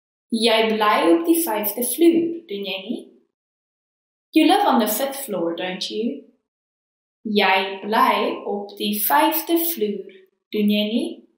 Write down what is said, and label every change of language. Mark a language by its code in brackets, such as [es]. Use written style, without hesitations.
[af] Jy bly op die vijfde vloer, doen jy nie? [en] You live on the fifth floor, don't you? [af] Jy bly op die vijfde vloer, doen jy nie?